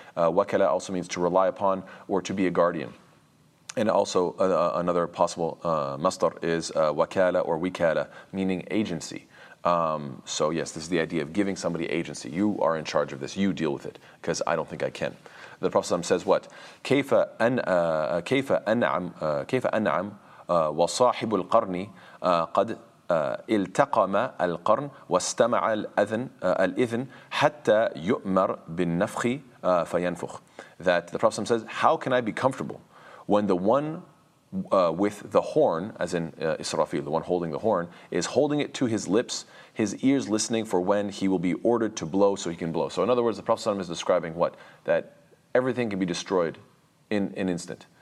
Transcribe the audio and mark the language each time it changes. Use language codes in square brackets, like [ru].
[en] Wakala also means to rely upon or to be a guardian. And also another possible masdar is wakala or wikala, meaning agency. So yes, this is the idea of giving somebody agency. You are in charge of this. You deal with it, because I don't think I can. The Prophet ﷺ says what? [ar] كيف أنعم وصاحب القرن قد التقم القرن واستمع الإذن حتى يؤمر بالنفخ فينفخ. [en] That the Prophet ﷺ says, how can I be comfortable when the one with the horn, as in Israfil, the one holding the horn, is holding it to his lips, his ears listening for when he will be ordered to blow so he can blow. So in other words, the Prophet ﷺ is describing what? That everything can be destroyed in an instant.